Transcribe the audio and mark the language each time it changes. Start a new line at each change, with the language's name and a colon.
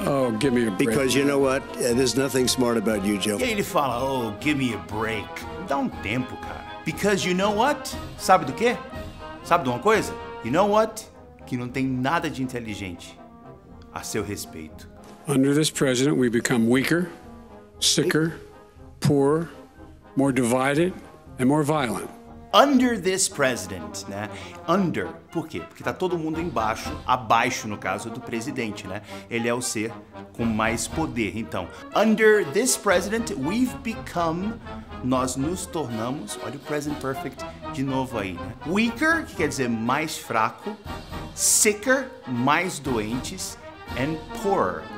English: Oh, give me a break. Because you know what? There's nothing smart about you, Joe.
Portuguese: E ele fala,
English: oh, give me a break.
Portuguese: Dá tempo, cara.
English: Because you know what?
Portuguese: Sabe do quê? Sabe de uma coisa?
English: You know what?
Portuguese: Que não tem nada de inteligente a seu respeito.
English: Under this president, we become weaker, sicker, poorer, more divided, and more violent. Under this president, né? Under,
Portuguese: por quê? Porque tá todo mundo embaixo, abaixo, no caso, do presidente, né? Ele é o ser com mais poder, então.
English: Under this president, we've become,
Portuguese: nós nos tornamos, olha o present perfect de novo aí, né? Weaker, que quer dizer mais fraco, sicker, mais doentes, and poorer.